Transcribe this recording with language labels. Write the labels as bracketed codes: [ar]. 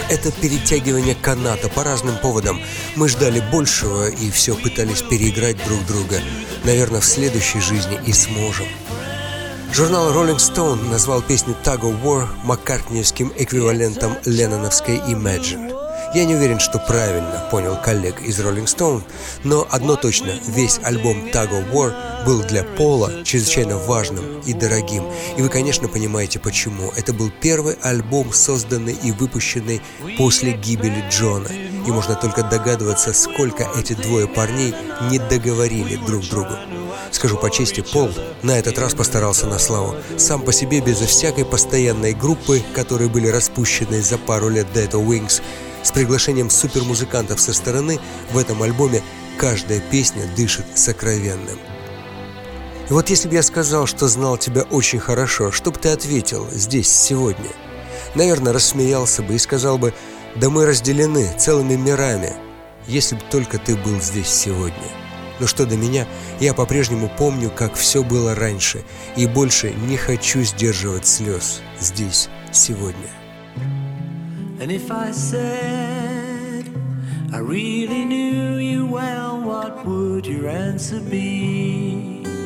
[ru] Это перетягивание каната по разным поводам. Мы ждали большего и все пытались переиграть друг друга. Наверное, в следующей жизни и сможем. Журнал Rolling Stone назвал песню Tug of War маккартниевским эквивалентом ленноновской Imagine. Я не уверен, что правильно понял коллег из Rolling Stone, но одно точно, весь альбом Tug of War был для Пола чрезвычайно важным и дорогим. И вы, конечно, понимаете, почему. Это был первый альбом, созданный и выпущенный после гибели Джона. И можно только догадываться, сколько эти двое парней не договорили друг другу. Скажу по чести, Пол на этот раз постарался на славу. Сам по себе, безо всякой постоянной группы, которые были распущены за пару лет до этого Wings, с приглашением супермузыкантов со стороны, в этом альбоме каждая песня дышит сокровенным. И вот если бы я сказал, что знал тебя очень хорошо, что бы ты ответил здесь, сегодня? Наверное, рассмеялся бы и сказал бы: «Да мы разделены целыми мирами, если бы только ты был здесь сегодня». Но что до меня, я по-прежнему помню, как все было раньше, и больше не хочу сдерживать слез здесь, сегодня. [en] And if I said I really knew you well, what would your answer be?